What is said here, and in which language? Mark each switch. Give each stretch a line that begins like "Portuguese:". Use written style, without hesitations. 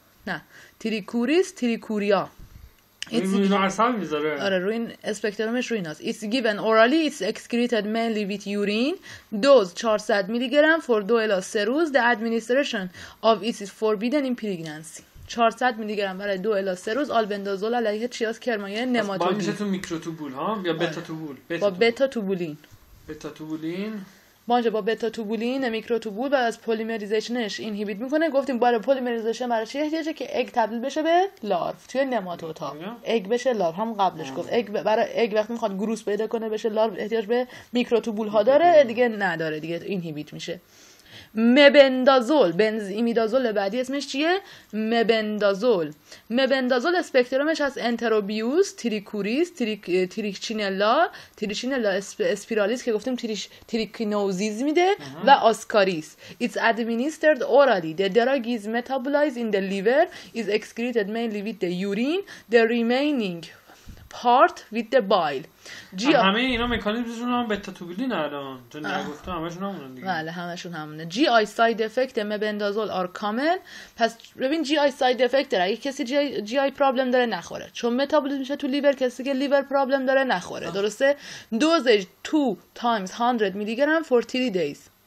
Persian: نه تریکوریس تریکوریا. روی این اسپکترومش روی این هست.
English: It's given orally, it's excreted mainly with urine. Dose 400 milligram for 2-3 روز. The administration of it is forbidden in pregnancy.
Persian: 400 میلیگرم برای 2-3 روز. آلبندازول علیه چی هست؟ کرمایه نماتولی. با میشه تو میکروتوبول ها؟ یا بتا توبول؟ با بتا توبولین. بتا توبولین؟ بانجه با بتا توبولین میکروتوبول بعد از پلیمریزیشنش اینهیبیت میکنه. گفتیم برای پلیمریزیشن برای چی احتیاجه؟ که اگ تبدیل بشه به لارف توی نماتوتا. اگ بشه لارف هم قبلش گفت. اگ برای اگ وقتی میخواد گروس پیدا کنه بشه لارف احتیاج به میکروتوبول ها داره دیگه. نداره دیگه اینهیبیت میشه. مبندازول. بنز ایمیدازول بعدی اسمش چیه؟ مبندازول. مبندازول اسپکترومش از انتروبیوس تریکوریس تریکچینلا تریچینلا اسپیرالیس که گفتیم تریکینوزیز میده و آسکاریس.
English: It's administered orally. The drug is metabolized in the liver, is excreted mainly with the urine, the remaining part with the bile.
Persian: همه اینا مکانیزمشون هم بتا توبولین الان تو نگفتم همشون همونن دیگه. بله همشون همونه.
English: G I side effect mebendazole are common.
Persian: پس ببین جی آی ساید افکت داره، اگه کسی جی آی پرابلم داره نخوره، چون متابولیسم میشه تو لیور. کسی که لیور پرابلم داره نخوره. درسته. دوزش
English: 2 times 100 milligram for 3 days.